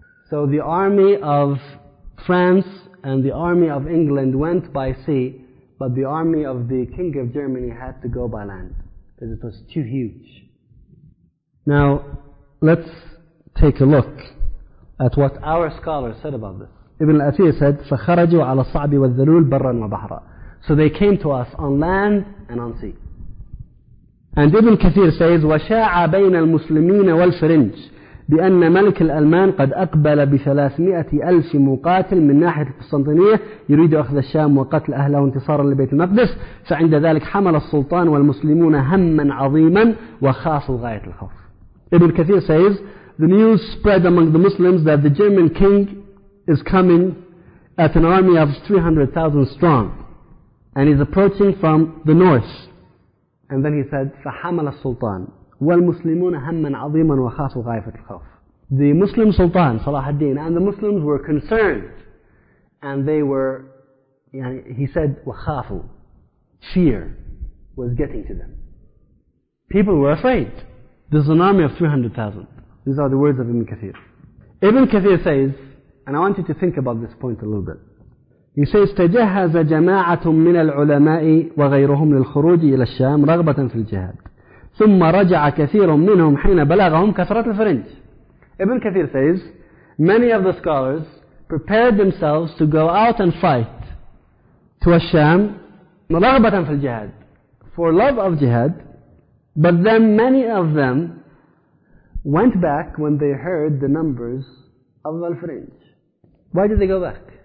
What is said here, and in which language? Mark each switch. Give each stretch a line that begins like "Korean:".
English: So the army of France and the army of England went by sea, but the army of the King of Germany had to go by land, because it was too huge. Now, let's take a look at what our scholars said about this. Ibn al-Athir said,
Arabic: فَخَرَجُوا عَلَى الصَّعْبِ وَالذَّلُولِ بَرًّا وَبَحْرًا.
English: So they came to us on land and on sea. And Ibn al-Kathir says,
Arabic: وَشَاعَ بَيْنَ الْمُسْلِمِينَ وَالْفِرِنْجِ بِأَنَّ مَلِكَ الْأَلْمَانِ قَدْ أَقْبَلَ بِثَلَاثْمِئَةِ أَلْفِ مُقَاتِلٍ مِنْ نَاحِيَةِ الْقُسْطَنْطِينِيَةِ يُرِيدُ أَخْذَ الشَّامِ وَقَتْلَ أَهْلَهُ وَانْتِصَارًا لِبَيْتِ الْمَقْدِسِ فَعِنْدَ ذَلِكَ حَمَلَ السُّلْطَانُ وَالْمُسْلِمُونَ هَمًّا عَظِيمًا وَخَافُوا غَايَةَ الْخَوْفِ.
English: Ibn Kathir says, the news spread among the Muslims that the German king is coming at an army of 300,000 strong and is approaching from the north. And then he said,
Arabic: فَحَمَلَ السُّلْطَانُ وَالْمُسْلِمُونَ هَمَّنْ عَظِيمًا وَخَافُوا غَيْفَةِ الْخَوْفِ.
English: The Muslim Sultan, Salah ad-Din, and the Muslims were concerned. And they were, he said,
Arabic: وَخَافُوا.
English: Fear was getting to them. People were afraid. This is an army of 300,000. These are the words of Ibn Kathir. Ibn Kathir says, and I want you to think about this point a little bit. He says,
Arabic: تَجَهَّزَ جَمَاعَةٌ مِّنَ الْعُلَمَاءِ وَغَيْرُهُمْ لِلْخُرُوجِ إِلَى الشَّامِ رَغْبَةً فِي الْجِهَادِ. ثم رجع كثير منهم حين بلغهم كثرة الفرنج.
English: Ibn Kathir says, many of the scholars prepared themselves to go out and fight to Al-Sham,
Arabic: رغبة في الجهاد,
English: for love of jihad. But then many of them went back when they heard the numbers of Al-Fringe. Why did they go back?